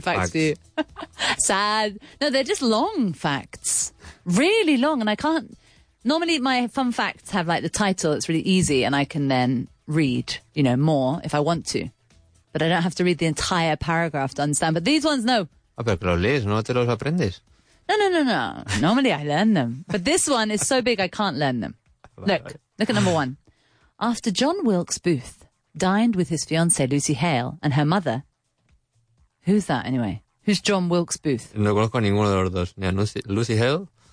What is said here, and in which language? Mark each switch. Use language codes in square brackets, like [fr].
[en] facts for you. Sad. No, they're just long facts. Really long, and I can't... Normally, my fun facts have, like, the title. It's really easy, and I can then read, you know, more if I want to. But I don't have to read the entire paragraph to understand. But these ones, no. [es] Ah, pero que los lees, ¿no te los aprendes? [en] No. Normally, I learn them. But this one is so big, I can't learn them. Look at number one. After John Wilkes Booth dined with his fiancée, Lucy Hale, and her mother... Who's that, anyway? Who's John Wilkes Booth? [es] No conozco a ninguno de los dos. Ni a Lucy Hale...